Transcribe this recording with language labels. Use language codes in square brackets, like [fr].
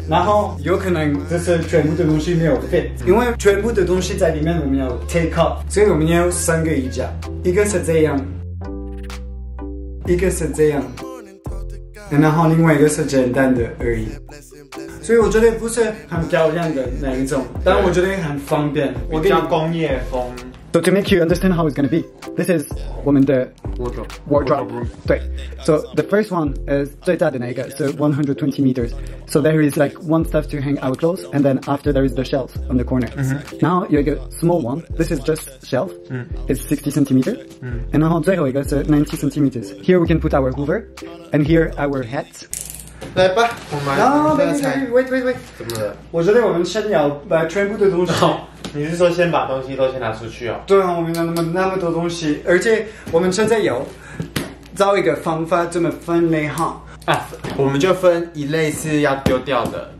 [zh] 然后有可能就是全部的东西没有 fit， 因为全部的东西在里面我们要 [en] take off， [zh] 所以我们要三个衣架，一个是这样，一个是这样。然后另外一个是简单的而已，所以我觉得不是很漂亮的那一种，但我觉得很方便，比较工业风。 [en] So to make you understand how it's gonna be, this is [zh] 我们的 [en] wardrobe room. 对 ，so the first one is [zh] 最大的那个 [en] ，so 120 meters. So there is like one stuff to hang our clothes, and then after there is the shelf on the corner.、 Mm-hmm. [zh] 然后有一个 [en] small one, this is just shelf.、 Mm. It's 60 centimeters.、 Mm. [zh] 然后最后一个是 90 centimeters. [en] Here we can put our Hoover, and here our hats. [zh] 来吧，我们来拆。 [en] Wait. [zh] 怎么了？我觉得我们先要把全部的东西。你是说先把东西都先拿出去哦？对啊，我们有那么多东西，而且我们现在有找一个方法这么分类哈。啊，我们就分一类是要丢掉的，